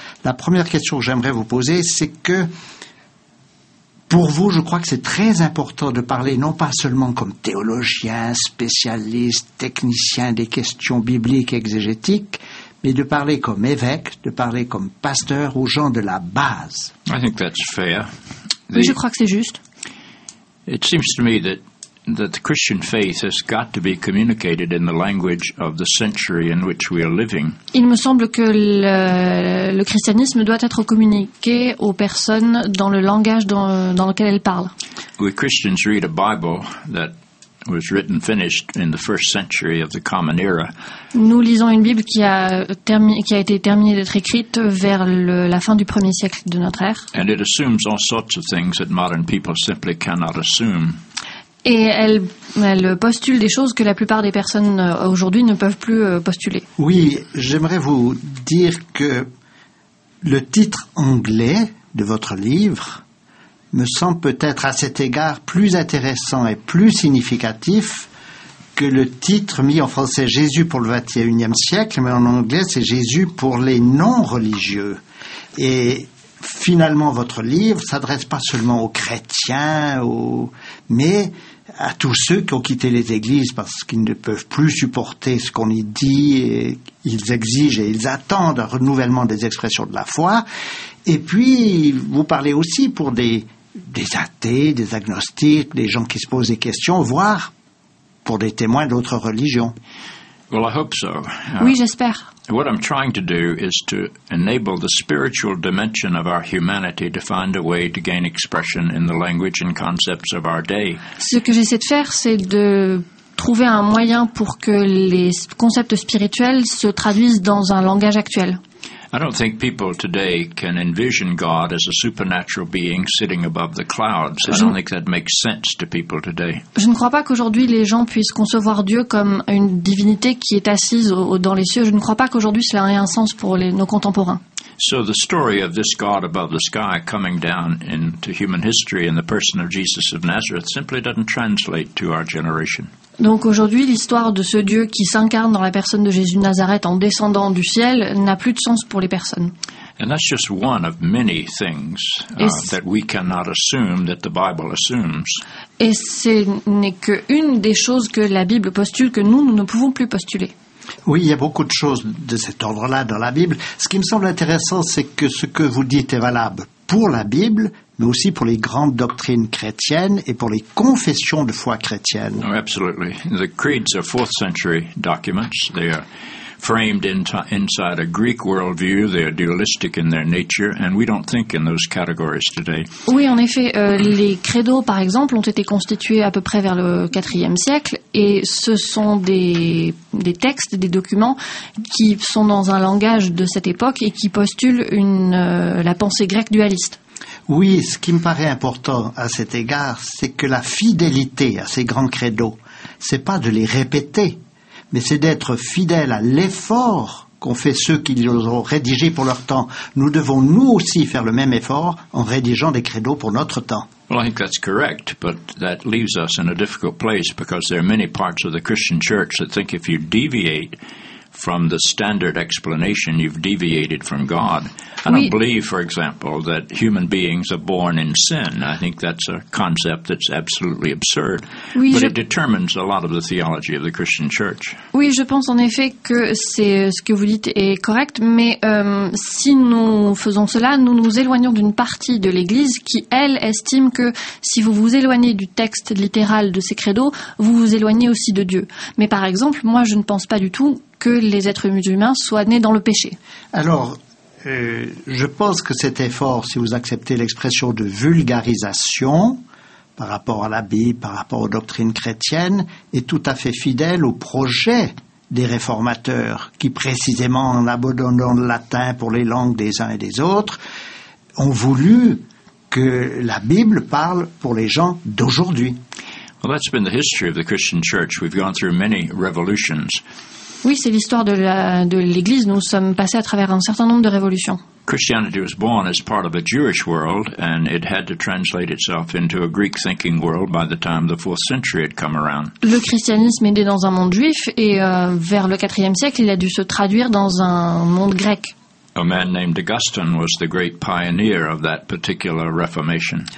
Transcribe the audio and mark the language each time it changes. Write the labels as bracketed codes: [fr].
[fr] La première question que j'aimerais vous poser, c'est que, pour vous, je crois que c'est très important de parler, non pas seulement comme théologien, spécialiste, technicien des questions bibliques, exégétiques, mais de parler comme évêque, de parler comme pasteur ou gens de la base. [en] I think that's fair. [fr] Oui, je crois que c'est juste. [en] It seems to me that the Christian faith has got to be communicated in the language of the century in which we are living. [fr] Il me semble que le christianisme doit être communiqué aux personnes dans le langage dans lequel elles parlent. [en] We Christians read a Bible that was written finished in the first century of the Common Era. [fr] Nous lisons une Bible qui a été terminée d'être écrite vers la fin du premier siècle de notre ère. [en] And it assumes all sorts of things that modern people simply cannot assume. [fr] Et elle postule des choses que la plupart des personnes aujourd'hui ne peuvent plus postuler. Oui, j'aimerais vous dire que le titre anglais de votre livre me semble peut-être à cet égard plus intéressant et plus significatif que le titre mis en français « Jésus pour le 21e siècle », mais en anglais c'est « Jésus pour les non-religieux ». Et finalement, votre livre s'adresse pas seulement aux chrétiens, mais à tous ceux qui ont quitté les églises parce qu'ils ne peuvent plus supporter ce qu'on y dit, et ils exigent et ils attendent un renouvellement des expressions de la foi. Et puis, vous parlez aussi pour des athées, des agnostiques, des gens qui se posent des questions, voire pour des témoins d'autres religions. [en] Well, I hope so. [fr] Oui, j'espère. [en] What I'm trying to do is to enable the spiritual dimension of our humanity to find a way to gain expression in the language and concepts of our day. [fr] Ce que j'essaie de faire, c'est de trouver un moyen pour que les concepts spirituels se traduisent dans un langage actuel. [en] I don't think people today can envision God as a supernatural being sitting above the clouds. I don't think that makes sense to people today. [fr] Je ne crois pas qu'aujourd'hui les gens puissent concevoir Dieu comme une divinité qui est assise dans les cieux. Je ne crois pas qu'aujourd'hui cela ait un sens pour nos contemporains. [en] So the story of this God above the sky coming down into human history in the person of Jesus of Nazareth simply doesn't translate to our generation. [fr] Donc aujourd'hui, l'histoire de ce Dieu qui s'incarne dans la personne de Jésus de Nazareth en descendant du ciel n'a plus de sens pour les personnes. [en] And that's just one of many things that we cannot assume that the Bible assumes. [fr] Et ce n'est qu'une des choses que la Bible postule que nous ne pouvons plus postuler. Oui, il y a beaucoup de choses de cet ordre-là dans la Bible. Ce qui me semble intéressant, c'est que ce que vous dites est valable pour la Bible, mais aussi pour les grandes doctrines chrétiennes et pour les confessions de foi chrétiennes. [en] Oh, absolutely. The creeds are 4th century documents. They are framed inside a Greek worldview. They are dualistic in their nature, and we don't think in those categories today. [fr] Oui, en effet, les credos, par exemple, ont été constitués à peu près vers le IVe siècle, et ce sont des textes, des documents qui sont dans un langage de cette époque et qui postulent la pensée grecque dualiste. Oui, ce qui me paraît important à cet égard, c'est que la fidélité à ces grands credos, c'est pas de les répéter, mais c'est d'être fidèle à l'effort qu'ont fait ceux qui les ont rédigés pour leur temps. Nous devons nous aussi faire le même effort en rédigeant des credos pour notre temps. [en] Well, I think that's correct, but that leaves us in a difficult place because there are many parts of the Christian Church that think if you deviate from the standard explanation, you've deviated from God. And [fr] oui. [en] I believe, for example, that human beings are born in sin. I think that's a concept that's absolutely absurd. [fr] Oui, [en] but it determines a lot of the theology of the Christian Church. [fr] Oui, je pense en effet que c'est ce que vous dites est correct, mais si nous faisons cela, nous nous éloignons d'une partie de l'Église qui, elle, estime que si vous vous éloignez du texte littéral de ces credos, vous vous éloignez aussi de Dieu. Mais par exemple, moi, je ne pense pas du tout que les êtres humains soient nés dans le péché. Alors, je pense que cet effort, si vous acceptez l'expression de vulgarisation par rapport à la Bible, par rapport aux doctrines chrétiennes, est tout à fait fidèle au projet des réformateurs qui, précisément en abandonnant le latin pour les langues des uns et des autres, ont voulu que la Bible parle pour les gens d'aujourd'hui. [en] Well, that's been the history of the Christian Church. We've gone through many revolutions. [fr] Oui, c'est l'histoire de l'Église. Nous sommes passés à travers un certain nombre de révolutions. [en] Christianity was born as part of a Jewish world, and it had to translate itself into a Greek-thinking world by the time the 4th century had come around. [fr] Le christianisme est né dans un monde juif, et vers le 4e siècle, il a dû se traduire dans un monde grec. [en] A man named Augustine was the great pioneer of that particular Reformation.